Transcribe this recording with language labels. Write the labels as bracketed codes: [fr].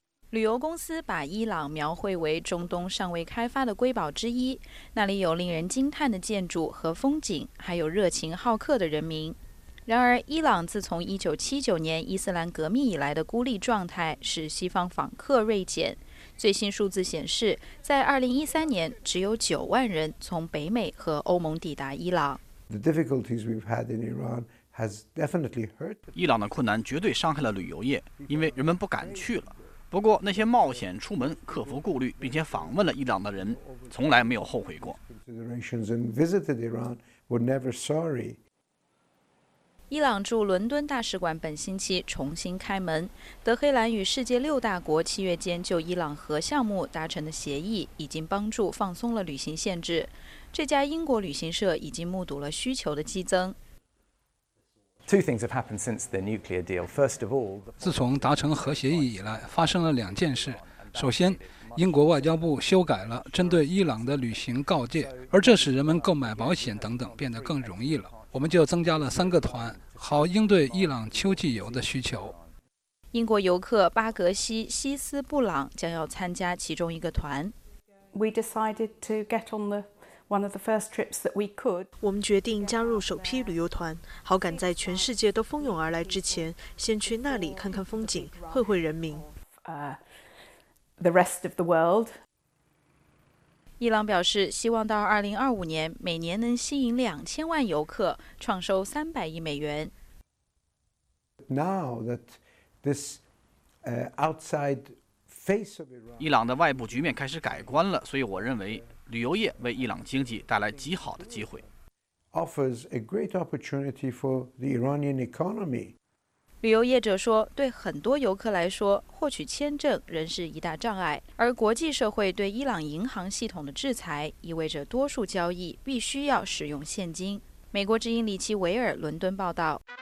[zh] 旅游公司把伊朗描绘为中东尚未开发的瑰宝之一，那里有令人惊叹的建筑和风景，还有热情好客的人民。然而，伊朗自从1979年伊斯兰革命以来的孤立状态使西方访客锐减。最新数字显示，在2013年只有9万人从北美和欧盟抵达伊朗。 [en] The difficulties we've had in Iran has definitely hurt. [zh] 伊朗的困难绝对伤害了旅游业，因为人们不敢去了。不过那些冒险出门克服顾虑并且访问了伊朗的人从来没有后悔过。伊朗驻伦敦大使馆本星期重新开门，德黑兰与世界六大国七月间就伊朗核项目达成的协议已经帮助放松了旅行限制。这家英国旅行社已经目睹了需求的激增。 [en] Two things have happened since the nuclear deal. First of all, [zh] 自从达成核协议以来，发生了两件事。首先，英国外交部修改了针对伊朗的旅行告诫，而这使人们购买保险等等变得更容易了。我们就增加了三个团，好应对伊朗秋季游的需求。英国游客巴格西·西斯布朗将要参加其中一个团。 [en] We decided to get on the. One of the first trips that we could. [zh] 我们决定加入首批旅游团，好赶在全世界都蜂拥而来之前，先去那里看看风景，会会人民。 [en] The rest of the world. [zh] 伊朗表示，希望到2025年，每年能吸引2000万游客，创收300亿美元。 [en] Now that this outside face of Iran. [zh] 伊朗的外部局面开始改观了，所以我认为。旅游业为伊朗经济带来极好的机会。 [en] Offers a great opportunity for the Iranian economy. [zh] 旅游业者说，对很多游客来说，获取签证仍是一大障碍，而国际社会对伊朗银行系统的制裁意味着多数交易必须要使用现金。美国之音李奇维尔伦敦报道。